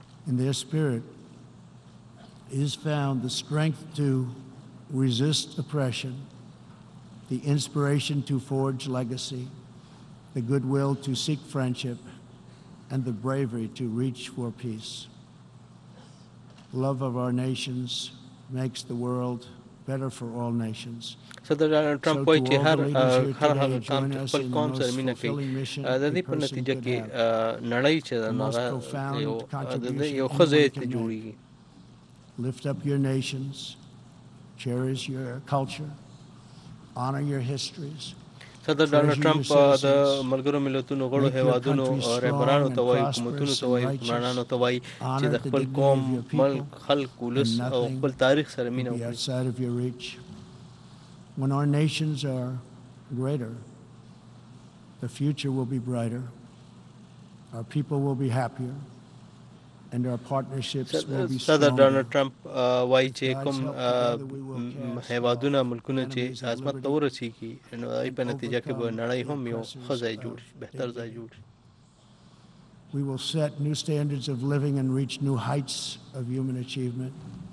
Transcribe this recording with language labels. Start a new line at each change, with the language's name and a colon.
English: In their spirit is found the strength to resist oppression, the inspiration to forge legacy, the goodwill to seek friendship, and the bravery to reach for peace. Love of our nations makes the world better for all nations.
Pashto: صدر ډونلډ ټرمپ وایي چې هر هغه کام چې خپل قوم سره مینه کوي د دې په نتیجه کې نړۍ چې ده نو هغه یو ښه ځای ته جوړیږي.
English: Lift up your nations, cherish your culture, honor your histories.
Pashto: صدر ډونلډ ټرمپ د ملګرو ملتونو غړو هیوادونو رهبرانو ته وایي، حکومتونو ته وایي، حکمرانانو ته وایي چې د خپل قوم، ملک، خلک، ولس او خپل تاریخ سره مینه وکړي.
English: When our nations are greater, the future will be brighter, our people will be happier, and our partnerships will be stronger.
Pashto: صدر ډونلډ ټرمپ وایي چې کوم هیوادونه، ملکونه چې عظمت ته ورسیږي نو دې په نتیجه کې به نړۍ هم یو ښه ځای جوړ شي، بهتر ځای جوړ شي.
English: We will set new standards of living and reach new heights of human achievement.